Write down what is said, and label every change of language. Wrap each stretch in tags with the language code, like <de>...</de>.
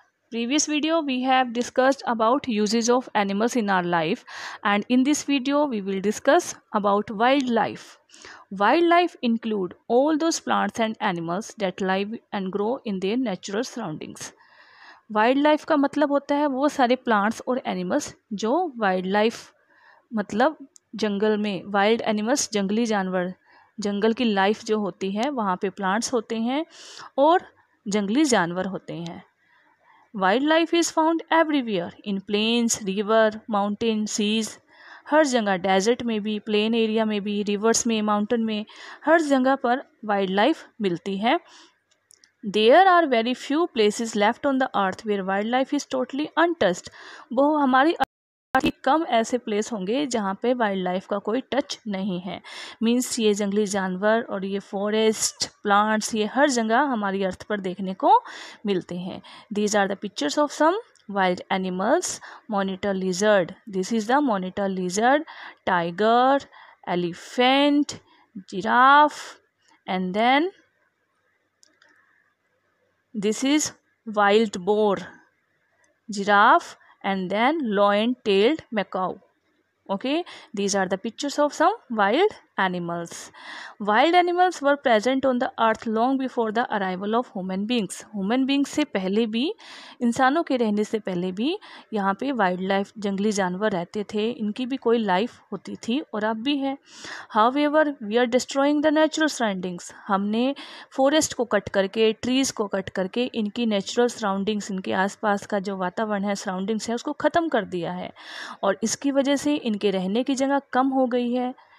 <en>Previous video we have discussed about uses of animals in our life, and in this video we will discuss about wildlife. Wildlife include all those plants and animals that live and grow in their natural surroundings.</en> <hi>Wildlife ka matlab hota hai wo sare plants aur animals jo wildlife मतलब जंगल में wild animals जंगली जानवर जंगल की life जो होती है वहाँ पे प्लांट्स होते हैं और जंगली जानवर होते हैं.</hi> <en>wildlife is found everywhere in plains river mountain seas</en> <hi>हर जगह डेजर्ट में भी प्लेन एरिया में भी रिवर्स में माउंटेन में हर जगह पर वाइल्ड लाइफ मिलती है.</hi> <en>There are very few places left on the earth where wildlife is totally untouched.</en> <hi>वो हमारी कम ऐसे प्लेस होंगे जहाँ पे वाइल्ड लाइफ का कोई टच नहीं है. मीन्स ये जंगली जानवर और ये फॉरेस्ट प्लांट्स ये हर जगह हमारी अर्थ पर देखने को मिलते हैं.</hi> <en>These are the pictures of some wild animals. Monitor lizard, this is the monitor lizard. Tiger, elephant, giraffe, and then this is wild boar, giraffe, and then loin-tailed macaw. Okay, these are the pictures of some wild animals. Wild animals were present on the earth long before the arrival of human beings.</en> <hi>Human beings से पहले भी इंसानों के रहने से पहले भी यहाँ पे वाइल्ड लाइफ जंगली जानवर रहते थे. इनकी भी कोई लाइफ होती थी और अब भी है.</hi> <en>However, we are destroying the natural surroundings.</en> <hi>हमने फॉरेस्ट को कट करके ट्रीज को कट करके इनकी नेचुरल सराउंडिंग्स इनके आसपास का जो वातावरण है सराउंडिंग्स है उसको ख़त्म कर दिया है और इसकी वजह से इनके रहने की जगह कम हो गई है.</hi>